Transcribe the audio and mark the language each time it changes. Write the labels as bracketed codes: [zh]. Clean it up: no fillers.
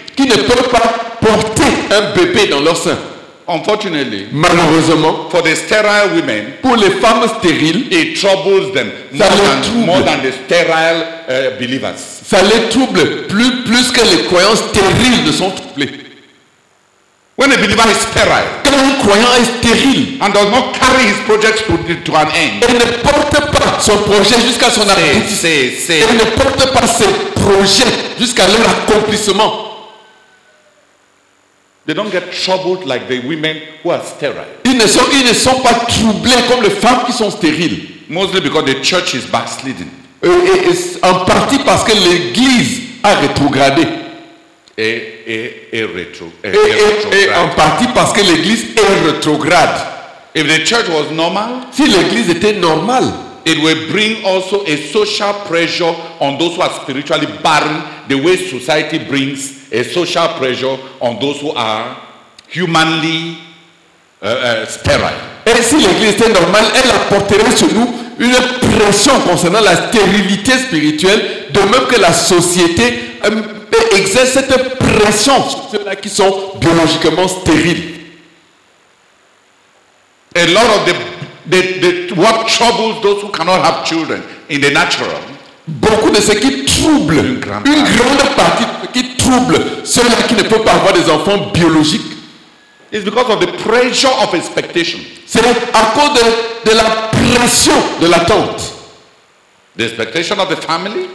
[fr] Qui ne peuvent pas porter un bébé dans leur sein. [en] Unfortunately, [fr] malheureusement, [en] for the sterile women, [fr] pour les femmes stériles, [en] it troubles them more than the sterile believers. [fr] Ça les trouble plus que les croyants stériles ne sont troublés. [en] When a believer is sterile, [fr] quand un croyant est stérile, [en] and does not carry his projects to an end, [fr] et ne porte pas son projet jusqu'à son aboutissement, et ne porte pas ses projets jusqu'à leur accomplissement. [en] They don't get troubled like the women who are sterile. [fr] Ils ne sont pas troublés comme les femmes qui sont stériles. [en] Mostly because the church is backslidden. [fr] Et en partie parce que l'église a rétrogradé. En partie parce que l'église est rétrograde. [en] If the church was normal, [fr] si l'église était normale, [en] it will bring also a social pressure on those who are spiritually barren, the way society brings a social pressure on those who are humanly sterile. [fr] Et si l'église était normale, elle apporterait sur nous une pression concernant la stérilité spirituelle, de même que la société exerce cette pression sur ceux-là qui sont biologiquement stériles. [en] A lot of the what troubles those who cannot have children in the natural. [fr] Beaucoup de ceux qui troublent, une grande partie de ceux qui troublent ceux-là qui ne peuvent pas avoir des enfants biologiques, [en] is because of the pressure of expectation. [fr] C'est à cause de la pression de l'attente. [en] The expectation of the family.